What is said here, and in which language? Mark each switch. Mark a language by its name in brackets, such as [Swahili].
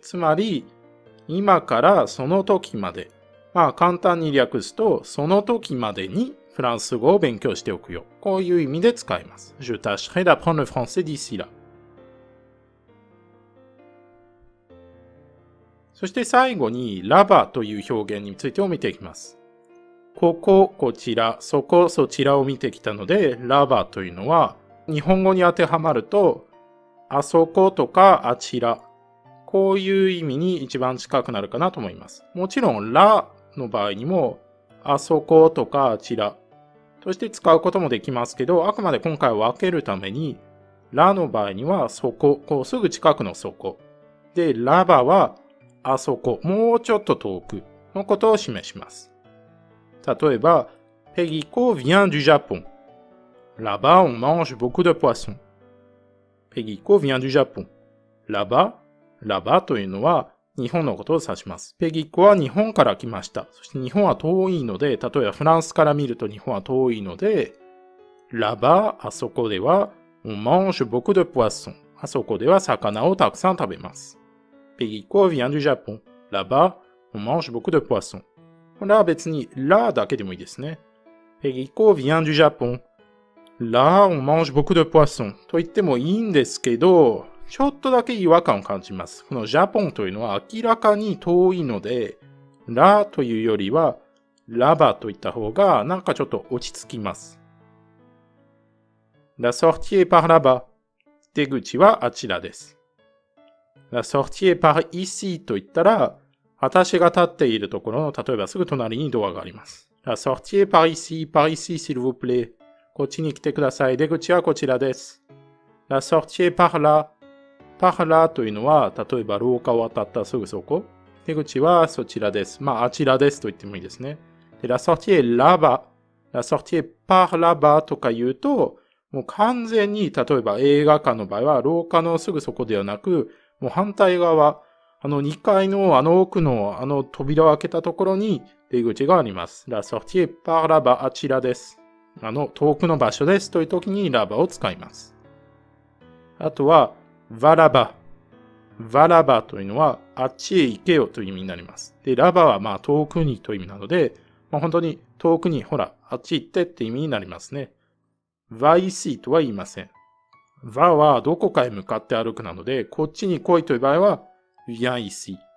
[Japanese] つまり、今からその時まで。まあ簡単に略すと、その時までに、フランス語を勉強しておくよ。こういう意味で使います。 [French] Je tâcherai d'apprendre le français d'ici là。 [Japanese] そして最後に、ラバという表現についても見ていきます。ここ、こちら、そこ、そちらを見てきたので、ラバというのは、日本語に当てはまると、あそことかあちら。こういう意味に一番近くなるかなと思います。もちろん、ラの場合にも、あそことかあちらとして使うこともできますけど、あくまで今回分けるためにラの場合にはそこ、こうすぐ近くのそこで、ラバはあそこ、もうちょっと遠くのことを示します。 [French] 例えば、ペギコ vient du Japon。ラバ on mange beaucoup de poisson。ペギコ vient du Japon。 [Japanese] ラバというのは日本のことを指します。ペギコは日本から来ました。そして日本は遠いので、例えばフランスから見ると日本は遠いので、ラバ、あそこでは、 [French] on mange beaucoup de poisson。 [Japanese] あそこでは魚をたくさん食べます。 [French] ペギコ vient du Japon。ラバ、on mange beaucoup de poisson。 [Japanese] これは別に、ラだけでもいいですね。 [French] ペギコ vient du Japon。ラ、on mange beaucoup de poisson。 [Japanese] と言ってもいいんですけど、ちょっとだけ違和感を感じます。このジャポンというのは明らかに遠いので、ラというよりは、ラバといった方がなんかちょっと落ち着きます。 [French] La sortie est par là-bas。 [Japanese] 出口はあちらです。 [French] La sortie est par ici [Japanese] といったら、私が立っているところの、例えばすぐ隣にドアがあります。 [French] La sortie est par ici、par ici s'il vous plaît。 [Japanese] こっちに来てください。出口はこちらです。 [French] La sortie est par là。 [Japanese] パハラというのは、例えば廊下を渡ったすぐそこ。出口はそちらです。まあ、あちらですと言ってもいいですね。で、ラソーティエラバ。ラソーティエパハラバとか言うと、もう完全に、例えば映画館の場合は廊下のすぐそこではなく、もう反対側、あの2階のあの奥のあの扉を開けたところに出口があります。 [French] La sortie par là-bas、 [Japanese] あちらです。あの遠くの場所ですという時にラバを使います。あとは、 [French] va là-bas。 va là-bas [Japanese] というのは、あっちへ行けよという意味になります。で、ラバはまあ遠くにという意味なので、まあ、本当に遠くに、ほら、あっち行ってって意味になりますね。 [French] va ici [Japanese] とは言いません。va はどこかへ向かって歩くなので、こっちに来いという場合は、 [French] viens ici。